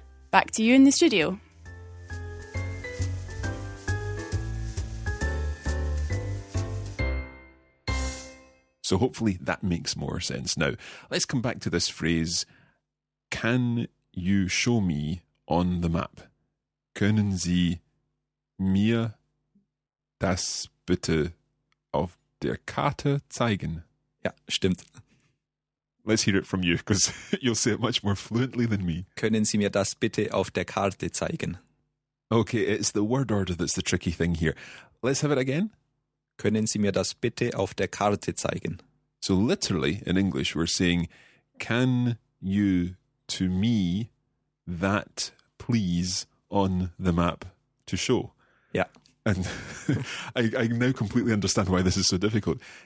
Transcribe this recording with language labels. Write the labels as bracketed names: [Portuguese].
[English] Back to you in the studio. So hopefully that makes more sense. Now, let's come back to this phrase, can you show me on the map? [German] Können Sie mir das bitte auf der Karte zeigen? Ja, stimmt. [English] Let's hear it from you, because you'll say it much more fluently than me. [German] Können Sie mir das bitte auf der Karte zeigen? [English] Okay, it's the word order that's the tricky thing here. Let's have it again. [German] Können Sie mir das bitte auf der Karte zeigen? [English] So literally, in English, we're saying, can you to me that please on the map to show? Yeah. And I now completely understand why this is so difficult.